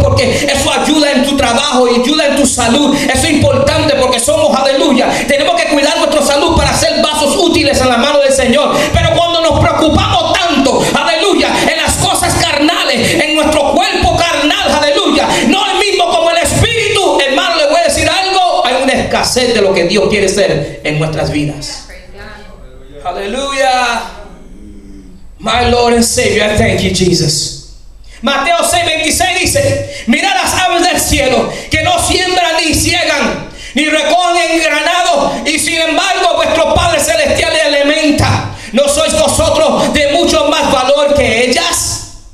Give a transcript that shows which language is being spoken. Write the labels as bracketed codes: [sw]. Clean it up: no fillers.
[es] Porque eso ayuda en tu trabajo y ayuda en tu salud. Eso es importante porque somos, aleluya, tenemos que cuidar nuestra salud para ser vasos útiles en la mano del Señor. Pero cuando nos preocupamos tanto, aleluya, en las cosas carnales, en nuestro cuerpo carnal, aleluya, no el mismo como el espíritu, hermano, le voy a decir algo, hay una escasez de lo que Dios quiere ser en nuestras vidas. Aleluya. [en] My Lord and Savior, I thank you Jesus. [es] Mateo 6:26 dice: mirad las aves del cielo, que no siembran ni siegan ni recogen en granado, y sin embargo vuestro Padre celestial le alimenta. ¿No sois vosotros de mucho más valor que ellas?